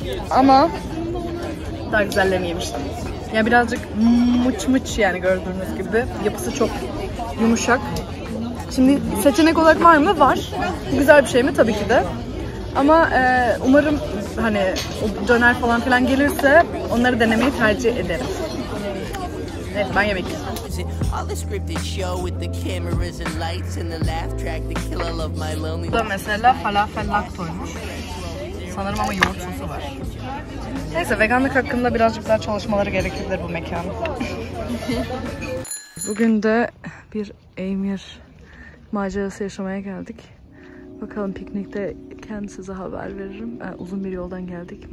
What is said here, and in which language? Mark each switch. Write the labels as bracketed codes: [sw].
[tr] Ama daha güzellerini yemiştim. Yani birazcık mıç mıç, yani gördüğünüz gibi yapısı çok yumuşak. Şimdi seçenek olarak var mı? Var. Güzel bir şey mi? Tabii ki de. Ama umarım hani o döner falan filan gelirse onları denemeyi tercih ederim. Evet, ben yemek yiyeyim. [en] All the scripted show with the cameras and lights and the laugh track, the killer of my lonely. [tr] Bu da mesela falafel laktoymuş. Sanırım ama yoğurt sosu var. Neyse, veganlık hakkında birazcık daha çalışmaları gerekebilir bu mekan. Bugün de bir emir macerası yaşamaya geldik. Bakalım, piknikte kendisi size haber veririm. Uzun bir yoldan geldik.